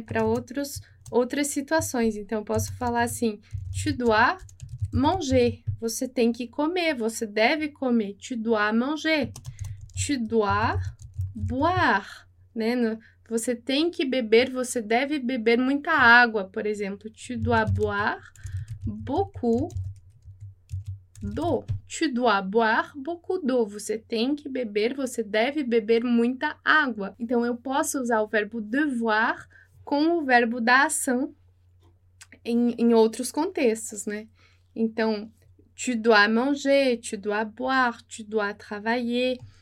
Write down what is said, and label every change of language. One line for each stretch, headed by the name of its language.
Portuguese: Para outras situações. Então, eu posso falar assim,
French: tu dois manger.
Portuguese: Você tem que comer, você deve comer.
French: Tu dois manger. Tu dois boire,
Portuguese: né? Você tem que beber, você deve beber muita água, por exemplo.
French: Tu dois boire beaucoup d'eau. Tu dois boire beaucoup d'eau.
Portuguese: Você tem que beber, você deve beber muita água. Então, eu posso usar o verbo devoir com o verbo da ação em outros contextos, né? Então,
French: tu dois manger, tu dois boire, tu dois travailler.